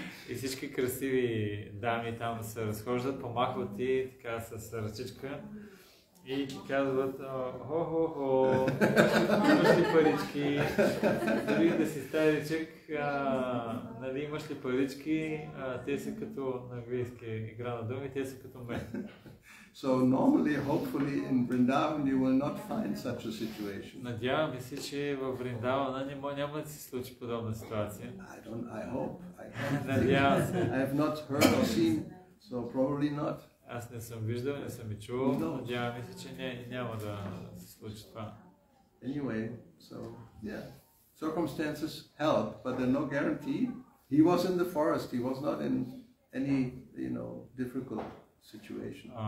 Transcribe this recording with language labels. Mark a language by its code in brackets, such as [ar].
[bg] И всички красиви дами там се разхождат, помахват ти така с ръчичка и ти казват хо-хо-хо, имаш ли парички? Дори да си стари чек, нали имаш ли парички, те са като на английски игра на думи, те са като мен. [en] So normally, hopefully, in Vrindavan you will not find such a situation. [bg] Надявам се, че във Вриндавана няма да се случи подобна ситуация. [en] I hope. I have not heard or seen, so probably not. [bg] Аз не съм виждал, не съм и чувал. Надявам се, че няма да се случи това. [en] Anyway, so yeah, circumstances help, but they're no guarantee. He was in the forest. He was not in any, you know, difficult situation.